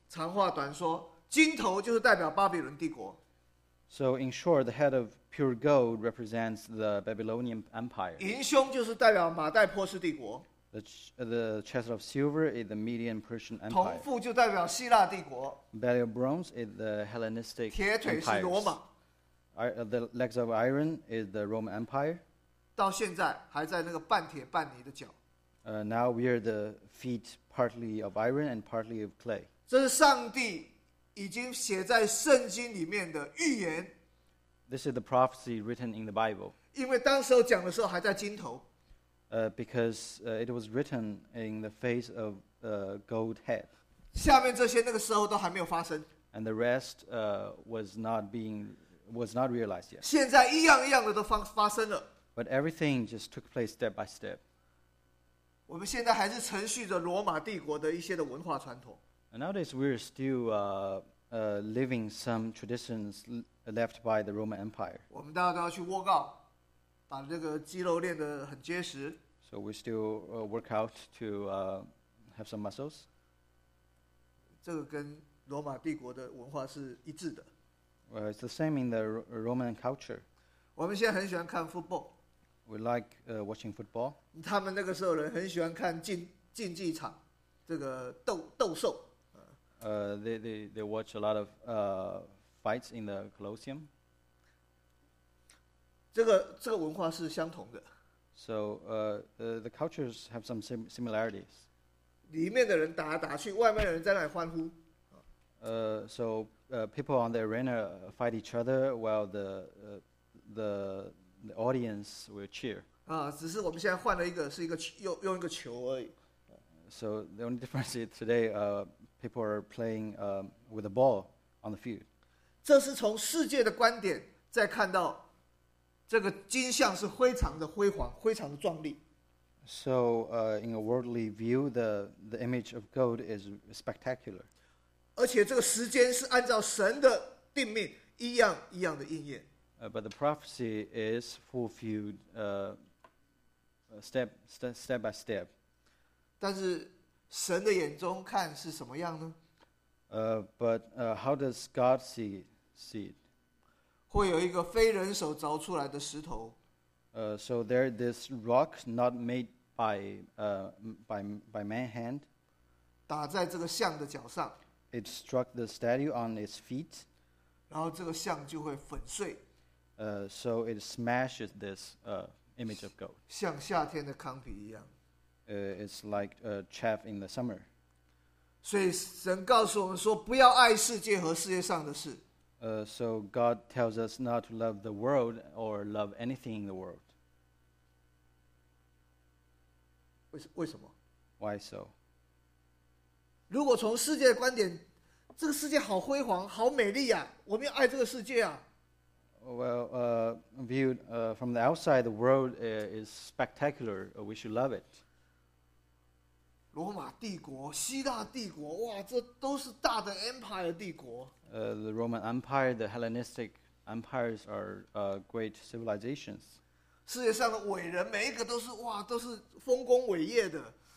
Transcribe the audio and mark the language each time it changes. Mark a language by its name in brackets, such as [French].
[Chinese] 长话短说，金头就是代表巴比伦帝国。 [English] So in short, the head of pure gold represents the Babylonian Empire. [Chinese] 银胸就是代表马代波斯帝国。 [English] The chest of silver is the Median Persian Empire. [Chinese] 铜腹就代表希腊帝国。 [English] Belly of bronze is the Hellenistic Empire. [Chinese] 铁腿是罗马。 [English] The legs of iron is the Roman Empire. [Chinese] 到现在还在那个半铁半泥的脚。 [English] Now we are the feet partly of iron and partly of clay. [Chinese] 这是上帝已经写在圣经里面的预言。 [English] This is the prophecy written in the Bible. [Chinese] 因为当时候讲的时候还在金头。 [English] Because it was written in the face of a gold head. [Chinese] 下面这些那个时候都还没有发生。 [English] And the rest was not realized yet. [Chinese] 现在一样一样的都发生了。 [English] But everything just took place step by step. [Chinese] 我们现在还是承续着罗马帝国的一些的文化传统。 [English] And nowadays we're still living some traditions left by the Roman Empire. [Chinese] 我们大家都要去卧告。把这个肌肉练得很结实。 [English] So we still work out to have some muscles. [Chinese] 这个跟罗马帝国的文化是一致的。 [English] Well, it's the same in the Roman culture. [Chinese] 我们现在很喜欢看 football. [English] We like watching football. [Chinese] 他们那个时候人很喜欢看竞技场，这个斗兽。 [English] They watch a lot of fights in the Colosseum. [Chinese] 这个文化是相同的。 [English] So, the cultures have some similarities. [Chinese] 里面的人打来打去，外面的人在那里欢呼。 [English] People on the arena fight each other while the audience will cheer. [Chinese] 啊，只是我们现在换了一个，是一个用一个球而已。 [English] So the only difference is today, people are playing with a ball on the field. [Chinese] 这是从世界的观点在看到。这个金像是非常的辉煌，非常的壮丽。 [English] So, in a worldly view, the image of gold is spectacular. [Chinese] 而且这个时间是按照神的定命，一样一样的应验。 [English] But the prophecy is fulfilled, step by step. [Chinese] 但是神的眼中看是什么样呢？ [English] How does God see it? [Chinese] 会有一个非人手凿出来的石头。 [English] So there this rock not made by man hand. [Chinese] 打在这个像的脚上。 [English] It struck the statue on its feet. [Chinese] 然后这个像就会粉碎。 [English] So it smashes this image of gold. [Chinese] 像夏天的糠皮一样。 [English] It's like chaff in the summer. [Chinese] 所以神告诉我们说，不要爱世界和世界上的事。 [English] So God tells us not to love the world or love anything in the world. [Chinese] 为什么？ [English] Why so? [Chinese] 如果从世界的观点，这个世界好辉煌，好美丽啊，我们要爱这个世界啊。 [English] Well, viewed from the outside, the world is spectacular. We should love it. [Chinese] 罗马帝国、希腊帝国，哇，这都是大的 empire 帝国。 [English] The Roman Empire, the Hellenistic empires are great civilizations. [Chinese] 世界上的伟人，每一个都是哇，都是丰功伟业的。